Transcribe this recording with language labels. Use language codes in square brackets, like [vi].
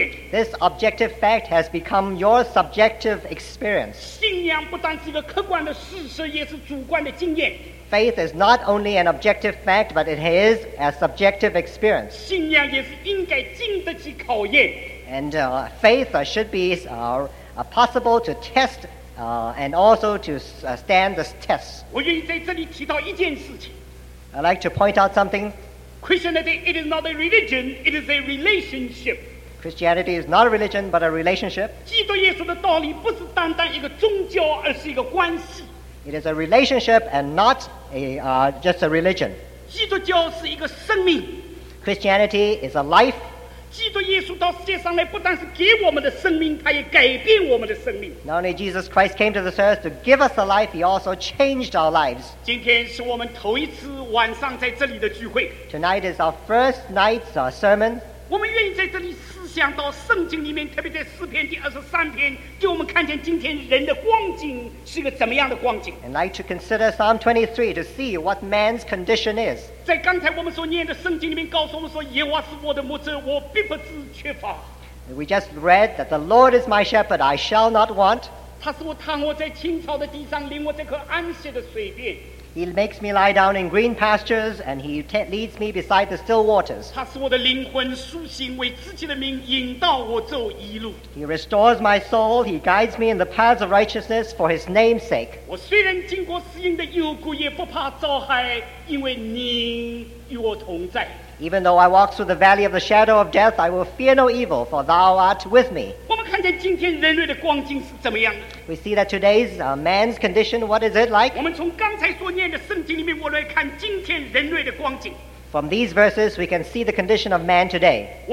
[en] This objective fact has become your subjective experience. [zh] 信仰不但是一个客观的事实，也是主观的经验。 [en] Faith is not only an objective fact, but it is a subjective experience. [zh] 信仰也是应该经得起考验。 [en] And faith should be possible to test and also to stand the test. [zh] 我愿意在这里提到一件事情。 [en] I'd like to point out something. Christianity, it is not a religion, it is a relationship. Christianity is not a religion, but a relationship. [zh] 基督耶稣的道理不是单单一个宗教，而是一个关系。 [en] It is a relationship and not just a religion. [zh] 基督教是一个生命。 [en] Christianity is a life. [zh] 基督耶稣到世界上来不但是给我们的生命，他也改变我们的生命。 [en] Not only Jesus Christ came to this earth to give us a life, he also changed our lives. [zh] 今天是我们头一次晚上在这里的聚会。 [en] Tonight is our first night's sermon. [zh] 我们愿意在这里思想到圣经里面，特别在诗篇第二十三篇，给我们看见今天人的光景是个怎么样的光景。 [en] And like to consider Psalm 23 to see what man's condition is. [zh] 在刚才我们所念的圣经里面告诉我们说，耶和华是我的牧者，我必不致缺乏。 [en] We just read that the Lord is my shepherd, I shall not want. [zh] 他使我躺卧在青草的地上，领我在可安歇的水边。 [en] He makes me lie down in green pastures, and he leads me beside the still waters. [zh] 他使我的灵魂苏醒，为自己的名引导我走义路。 [en] He restores my soul, he guides me in the paths of righteousness for his name's sake. [zh] 我虽然经过死荫的幽谷，也不怕遭害，因为你与我同在。 [en] Even though I walk through the valley of the shadow of death, I will fear no evil, for thou art with me. [zh] 我们看见今天人类的光景是怎么样的。 [en] We see that today's man's condition, what is it like? [zh] 我们从刚才所念的圣经里面，我来看今天人类的光景。 [en] From these verses, we can see the condition of man today.